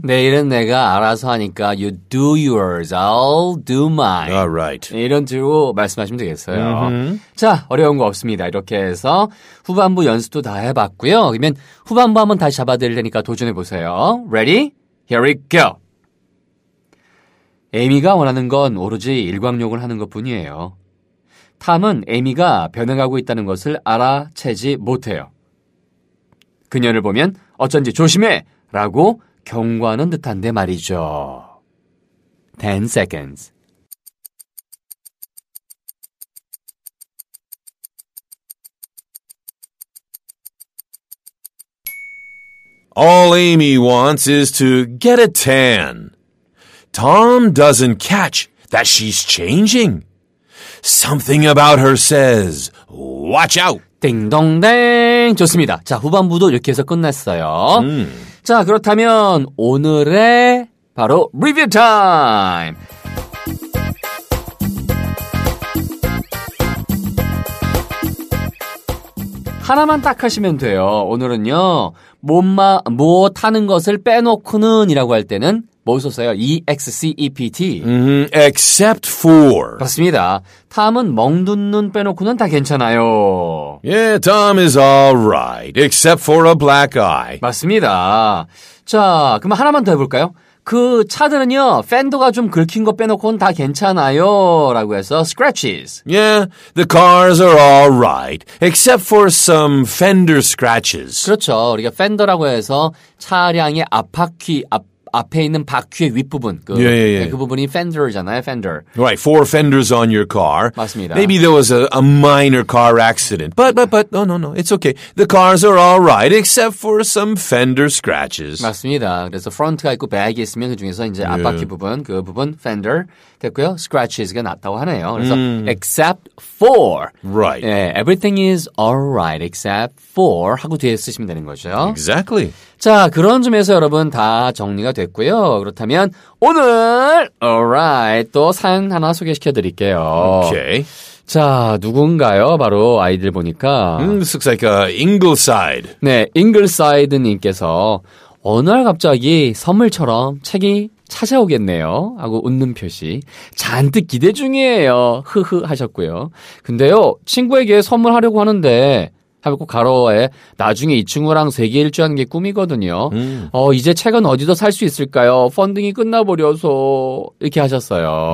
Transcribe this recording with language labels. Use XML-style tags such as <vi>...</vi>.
<ko>내일은 내가 알아서 하니까</ko> <en>you do yours, I'll do mine. All right.</en> <ko>이런 식으로 말씀하시면 되겠어요. Mm-hmm. 자, 어려운 거 없습니다. 이렇게 해서 후반부 연습도 다 해봤고요. 그러면 후반부 한번 다시 잡아드릴 테니까 도전해보세요.</ko> <en>Ready? Here we go.</en> <ko>에이미가 원하는 건 오로지 일광욕을 하는 것뿐이에요. 탐은 에이미가 변해가고 있다는 것을 알아채지 못해요. 그녀를 보면 어쩐지 조심해! 라고 경고하는 듯한데 말이죠.</ko> <en>10 seconds. All Amy wants is to get a tan. Tom doesn't catch that she's changing. Something about her says, watch out!</en> <ko>띵동댕. 좋습니다. 자, 후반부도 이렇게 해서 끝났어요. 자, 그렇다면 오늘의 바로 리뷰 타임. 하나만 딱 하시면 돼요. 오늘은요. 못 하는 것을 빼놓고는 이라고 할 때는 뭐 썼어요?</ko> <en>E-X-C-E-P-T. Except for.</en> <ko>그렇습니다. 탐은 멍든눈 빼놓고는 다 괜찮아요.</ko> <en>Yeah, Tom is alright. Except for a black eye.</en> <ko>맞습니다. 자, 그럼 하나만 더 해볼까요? 그 차들은요, 팬더가 좀 긁힌 거 빼놓고는 다 괜찮아요. 라고 해서 scratches.</ko> <en>Yeah, the cars are alright. Except for some fender scratches.</en> <ko>그렇죠. 우리가 fender라고 해서 차량의 앞에 있는 바퀴의 윗부분. 그,</ko> <en>yeah, yeah, yeah.</en> <ko>그 부분이 fender잖아요, fender.</ko> <en>Right, four fenders on your car.</en> <ko>맞습니다.</ko> <en>Maybe there was a minor car accident. But, no, no, no, it's okay. The cars are all right, except for some fender scratches.</en> <ko>맞습니다. 그래서 front가 있고 back이 있으면 그 중에서 이제 앞바퀴 yeah. 부분, 그 부분, fender. 됐고요. scratches가 났다고 하네요. 그래서 except for.</ko> <en>Right.</en> <ko>예,</ko> <en>everything is all right except for</en> <ko>하고 뒤에 쓰시면 되는 거죠.</ko> <en>Exactly.</en> <ko>자, 그런 점에서 여러분 다 정리가 됐고요. 그렇다면 오늘 all right 또 사연 하나 소개시켜 드릴게요.</ko> <en>Okay.</en> <ko>자, 누군가요? 바로 아이들 보니까</ko> <en>This looks like a Ingleside.</en> <ko>네, Ingleside 님께서 어느 날 갑자기 선물처럼 책이 찾아오겠네요 하고 웃는 표시 잔뜩 기대 중이에요 흐흐 하셨고요 근데요 친구에게 선물하려고 하는데 하고 가로에 나중에 이 친구랑 세계 일주하는 게 꿈이거든요 이제 책은 어디서 살 수 있을까요 펀딩이 끝나버려서 이렇게 하셨어요</ko>